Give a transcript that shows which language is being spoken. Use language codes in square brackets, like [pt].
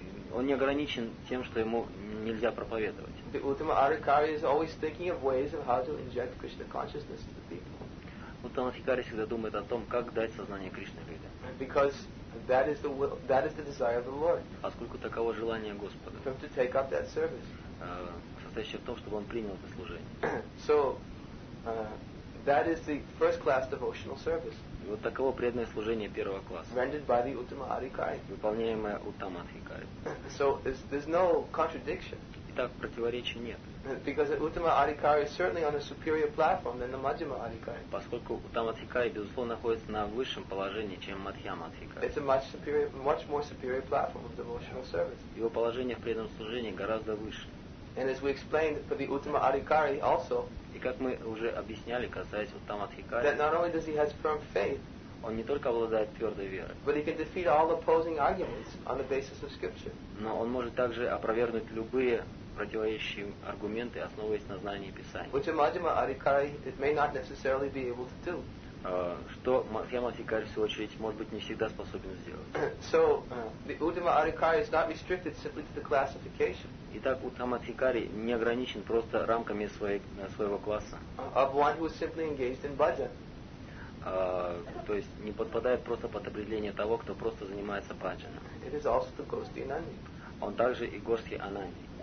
[ru] Он не ограничен тем, что ему нельзя проповедовать. [en] The Uttama Adhikari is always thinking of ways of how to inject Krishna consciousness to the people. [ru] Uttama Adhikari всегда думает о том, как дать сознание Кришны людям. [en] Because that is the will, that is the desire of the Lord. [ru] Поскольку таково желание Господа. [en] For him to take up that service. [ru] Состоящее в том, чтобы он принял это служение. [en] So. That is the first-class devotional service. [ru] Вот таково преданное служение первого класса. [en] Rendered by the Uttama Adhikari. [ru] Выполняемое Uttama Adhikari. [en] So there's no contradiction. [ru] Итак, противоречия нет. [en] Because the Uttama Adhikari is certainly on a superior platform than the Madhyama Adhikari. [ru] Поскольку Uttama Adhikari безусловно находится на высшем положении, чем Madhyama Adhikari. [en] It's a much superior, much more superior platform of devotional service. [ru] Его положение в преданном служении гораздо выше. [en] And as we explained, for the Uttama Adhikari also. [ru] И как мы уже объясняли, касаясь Uttama Adhikari, [en] that not only does he have firm faith, [ru] он не только обладает твердой верой, [en] but he can defeat all opposing arguments on the basis of scripture. [ru] Но он может также опровергнуть любые противоречащие аргументы, основываясь на знании Писания. [en] Which a Madhyama Adhikari it may not necessarily be able to do. [ru] Что Madhyama Adhikari в свою очередь может быть не всегда способен сделать. [en] So the Uttama Adhikari is not restricted simply to the classification. [ru] Итак, Uttama Adhikari не ограничен просто рамками своего класса. [en] Of one who is simply engaged in bhajan. [ru] То есть не подпадает просто под определение того, кто просто занимается бхаджаном. [en] It is also the Gosthiananda. [ru] Он также и Гостхиананди.